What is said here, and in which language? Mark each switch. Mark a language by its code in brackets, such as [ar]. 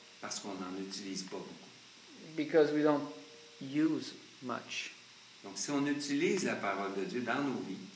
[fr] Parce qu'on n'en utilise pas beaucoup. [en] Because we don't use much. [fr] Donc, si on utilise la parole de Dieu dans nos vies,